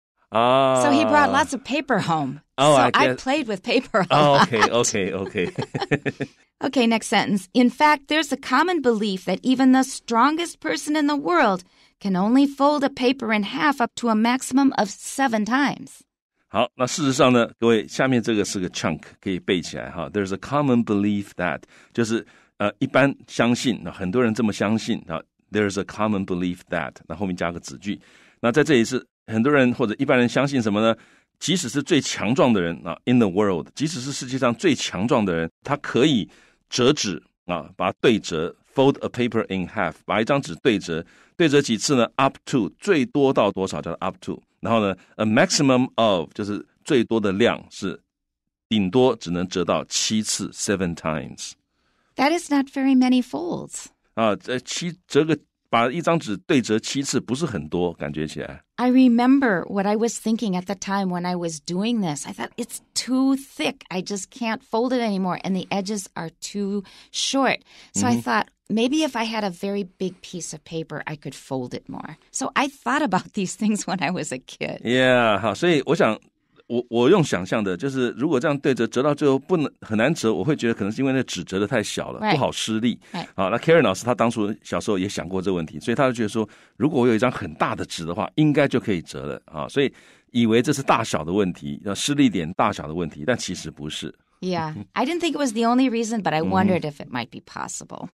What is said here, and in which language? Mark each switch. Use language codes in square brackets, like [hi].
[en] So he brought lots of paper home. Oh, so I played with paper a lot. Okay. Okay, next sentence. In fact, there's a common belief that even the strongest person in the world can only fold a paper in half up to a maximum of 7 times. [zh] 好，那事实上呢，各位，下面这个是个 chunk， 可以背起来哈。 [en] There's a common belief that [zh] 就是一般相信，很多人这么相信啊。 [en] There's a common belief that [zh] 那后面加个子句，那在这里是很多人或者一般人相信什么呢？即使是最强壮的人啊 ， [en] in the world， [zh] 即使是世界上最强壮的人，他可以折纸啊，把它对折 ， [en] fold a paper in half， [zh] 把一张纸对折，对折几次呢 ？ [en] Up to [zh] 最多到多少叫做 up to？然后呢 ， [en] a maximum of [zh] 就是最多的量是顶多只能折到七次 ， [en] seven times。 That is not very many folds。 [zh] 啊，折个把一张纸对折七次不是很多，感觉起来。 [en] I remember what I was thinking at the time when I was doing this. I thought it's too thick. I just can't fold it anymore, and the edges are too short. So I thought maybe if I had a very big piece of paper, I could fold it more. So I thought about these things when I was a kid. [zh] Yeah, 好，所以我想，我用想象的，就是如果这样对折，折到最后不能很难折，我会觉得可能是因为那纸折得太小了， [en] right. [zh] 不好施力。 [en] Right. [zh] 好，那 Karen 老师他当初小时候也想过这个问题，所以他就觉得说，如果我有一张很大的纸的话，应该就可以折了啊，所以以为这是大小的问题，要施力点大小的问题，但其实不是。 [en] Yeah, I didn't think it was the only reason, but I wondered if it might be possible.